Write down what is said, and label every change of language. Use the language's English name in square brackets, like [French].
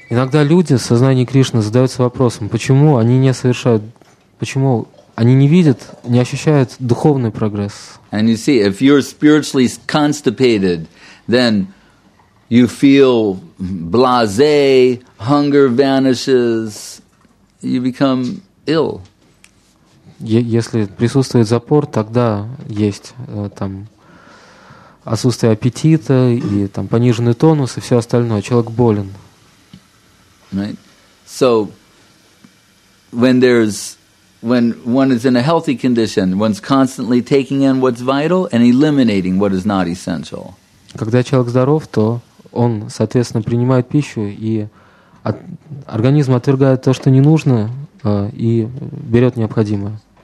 [Russian] Иногда люди в сознании Кришны задаются вопросом, почему они не совершают, почему они не видят, не ощущают духовный прогресс. [English] And you see, if you're spiritually constipated, then you feel blasé, hunger vanishes, you become ill. [Russian] Если присутствует запор, тогда есть там отсутствие аппетита и там пониженный тонус и все остальное. Человек болен. [English] Right. So when one is in a healthy condition, one's constantly taking in what's vital and eliminating what is not essential. [Russian] Когда человек здоров, то он, соответственно, принимает пищу, и организм отвергает то, что не нужно, и берет необходимое.